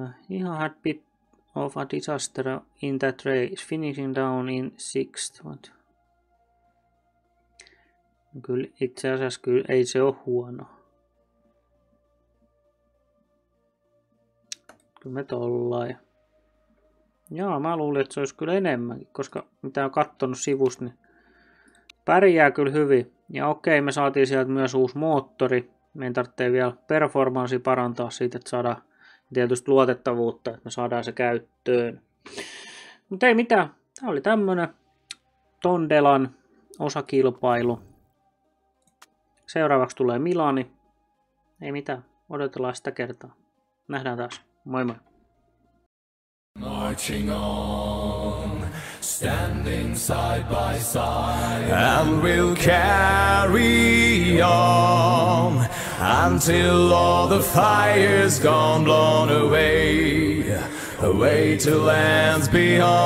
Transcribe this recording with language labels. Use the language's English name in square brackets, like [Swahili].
[English] Ihan had bit of a disaster in that race, finishing down in 6th. But... [Finnish] Kyllä itse asiassa kyllä, ei se ole huono. Me tollaan. Joo, mä luulin, että se olisi kyllä enemmänkin, koska mitä on katsonut sivusta, niin pärjää kyllä hyvin. Ja okei, me saatiin sieltä myös uusi moottori. Meidän tarvitsee vielä performanssi parantaa siitä, että saadaan tietysti luotettavuutta, että me saadaan se käyttöön. Mutta ei mitään, tämä oli tämmönen Tondelan osakilpailu. Seuraavaksi tulee Milani. Ei mitään, odotellaan sitä kertaa. Nähdään taas. Moi moi. [English] Marching on, standing side by side, and we'll carry on until all the fire's gone, blown away, away to lands beyond.